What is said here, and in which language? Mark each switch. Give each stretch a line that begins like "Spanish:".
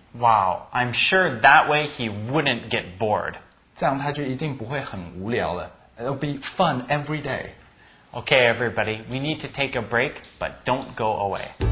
English: Wow, I'm sure that way he wouldn't get bored.
Chinese: 这样他就一定不会很无聊了。
English: It'll be fun every day. Okay, everybody, we need to take a break, but don't go away.